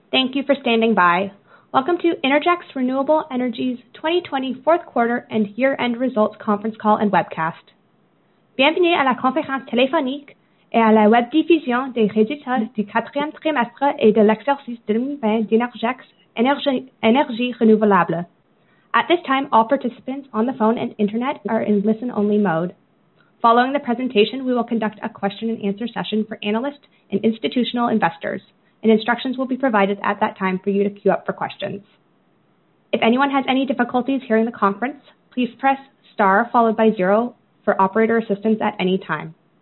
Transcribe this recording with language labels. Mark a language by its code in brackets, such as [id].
[en] Thank you for standing by. Welcome to Innergex Renewable Energy's 2020 fourth quarter and year-end results conference call and webcast. [fr] Bienvenue à la conférence téléphonique et à la web diffusion des résultats du quatrième trimestre et de l'exercice 2020 d'Innergex Énergie Renouvelable. [en] At this time, all participants on the phone and internet are in listen-only mode. Following the presentation, we will conduct a question and answer session for analysts and institutional investors, and instructions will be provided at that time for you to queue up for questions. If anyone has any difficulties hearing the conference, please press star followed by zero for operator assistance at any time.